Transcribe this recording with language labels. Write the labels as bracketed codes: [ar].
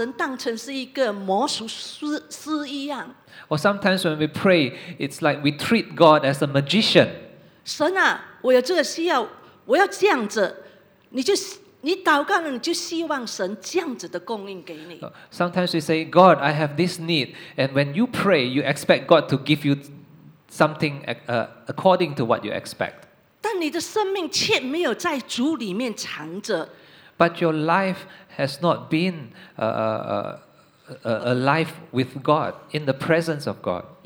[zh] 或者是有的时候我们祷告，我们真的是很像把神当成是一个魔术师一样。 [en] Or sometimes when we pray, it's like we treat God as a magician. [zh] 神啊，我有这个需要，我要这样子，你就。你祷告了，你就希望神这样子的供应给你。 [en] Sometimes we say, God, I have this need. And when you pray, you expect God to give you something according to what you expect. [zh] 但你的生命却没有在主里面藏着。 [en] But your life has not been a life with God, in the presence of God.